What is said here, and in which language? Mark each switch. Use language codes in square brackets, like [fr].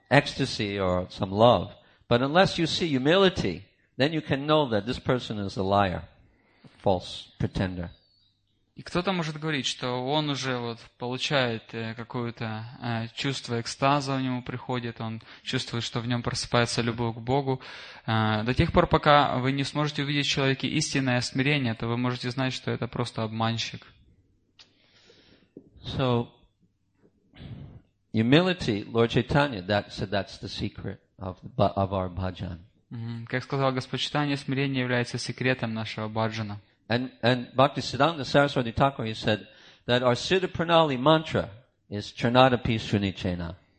[en] ecstasy or some love. But unless you see humility, then you can know that this person is a liar, false pretender. [ru] И кто-то может говорить, что он уже вот получает какое-то чувство экстаза, у него приходит, он чувствует, что в нем просыпается любовь к Богу. До тех пор, пока вы не сможете увидеть в человеке истинное смирение, то вы можете знать, что это просто обманщик. [en] So, humility, Lord Chaitanya, that's the secret of our bhajan. [ru] Как сказал Господь Читания, смирение является секретом нашего бхаджана. [en] And Bhakti Siddhanta Saraswati Thakur, he said that our Siddha Pranali mantra is Charnadapi Srinichena.